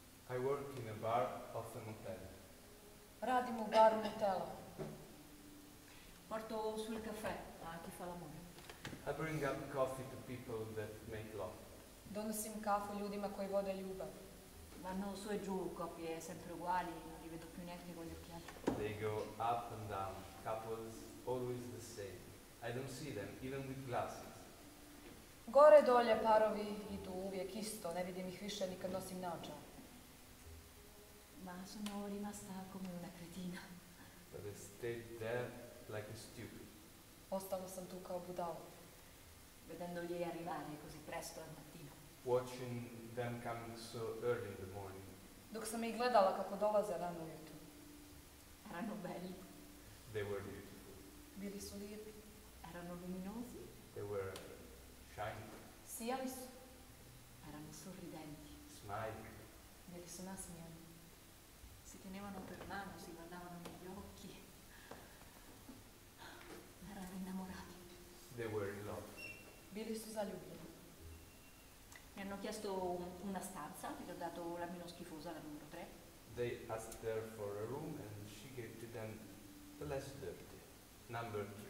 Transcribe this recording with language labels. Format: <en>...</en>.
<en>I work in a bar of the motel.</en> <hr>Radim u baru motela.</hr> <it>Porto sul caffè, a chi fa l'amore.</it> <en>I bring up coffee to people that make love.</en> <hr>Donosim kafu ljudima koji vode ljubav.</hr> <it>Vanno su e giù, coppie sempre uguali, non li vedo più neanche con gli occhiali.</it> <en>They go up and down, couples always the same. I don't see them, even with glasses.</en> <hr>Gore dolje parovi idu uvijek isto, ne vidim ih više ni kad nosim naočale.</hr> <it>Ma sono rimasta come una cretina.</it> <en>But I stayed there like a stupid.</en> <hr>Ostalo sam tu kao budalo.</hr> <it>Vedendo gli arrivare così presto al mattino.</it> <en>Watching them coming so early in the morning.</en> <hr>Dok sam ih gledala kako dolaze rano ujutro.</hr> <it>Erano belli.</it> <en>They were beautiful.</en> <hr>Bili su lijepi.</hr> <it>Erano luminosi.</it> <en>They were shiny.</en> <hr>Sijali su.</hr> <it>Erano sorridenti.</it> <en>Smiling.</en> <hr>Bili su nasmijani.</hr> <it>Si tenevano per mano, si guardavano negli occhi. Erano innamorati.</it> <en>They were in love.</en> <hr>Bili su zaljubljeni.</hr> <it>Mi hanno chiesto una stanza, gli ho dato la meno schifosa, la numero 3.</it> <en>They asked her for a room and she gave to them the less dirty, number 3.</en>